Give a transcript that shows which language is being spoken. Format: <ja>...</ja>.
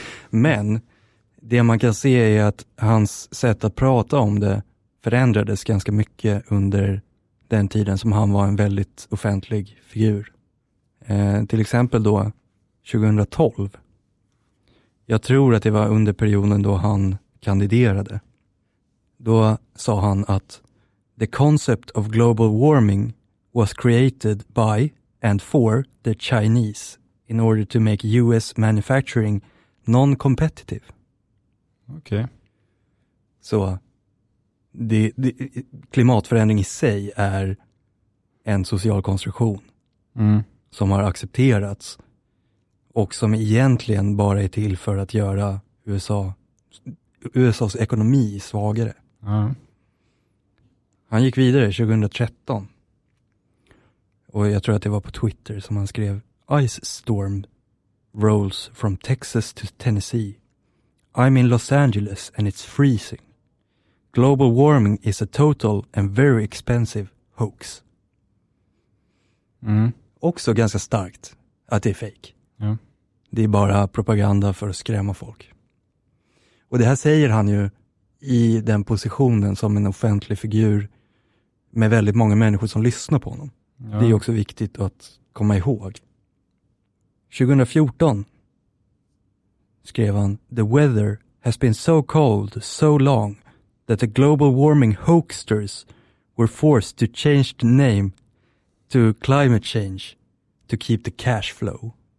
<sv>Men det man kan se är att hans sätt att prata om det förändrades ganska mycket under den tiden som han var en väldigt offentlig figur. Till exempel då 2012. Jag tror att det var under perioden då han kandiderade. Då sa han att</sv> <en>the concept of global warming was created by and for the Chinese in order to make US manufacturing non-competitive.</en> <sv>Okej. Okay. Så klimatförändring i sig är en social konstruktion som har accepterats och som egentligen bara är till för att göra USAs ekonomi svagare. Mm. Han gick vidare 2013 och jag tror att det var på Twitter som han skrev:</sv> <en>Ice storm rolls from Texas to Tennessee. I'm in Los Angeles and it's freezing. Global warming is a total and very expensive hoax. Mm.</en> <sv>Också ganska starkt att det är fake. Ja. Det är bara propaganda för att skrämma folk. Och det här säger han ju i den positionen som en offentlig figur med väldigt många människor som lyssnar på honom. Ja. Det är också viktigt att komma ihåg.</sv> <en>2014</en> <sv>skrev han:</sv> <en>The weather has been so cold so long that the global warming hoaxers were forced to change the name to climate change to keep the cash flow.</en>